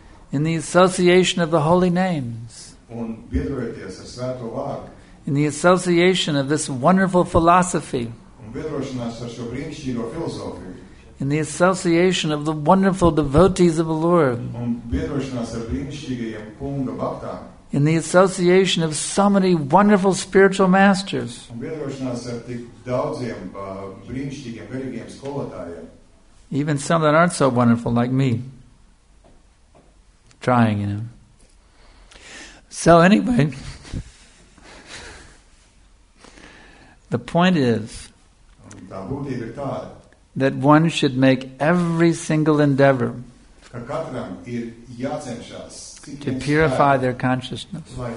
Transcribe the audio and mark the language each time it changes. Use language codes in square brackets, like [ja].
[en] in the association of the holy names, [lv] un biedrojoties ar svēto vārdu, [en] in the association of this wonderful philosophy, [lv] un biedrošanās ar šo brīnišķīgo filozofiju, [en] in the association of the wonderful devotees of the Lord, [lv] un biedrošanās ar brīnišķīgajiem kunga baktā, [en] in the association of so many wonderful spiritual masters, [lv] un biedrošanās ar tik daudziem brīnišķīgiem veļīgiem skolotājiem, [en] even some that aren't so wonderful like me, trying, you know. So anyway, the point is that one should make every single endeavor to purify their consciousness.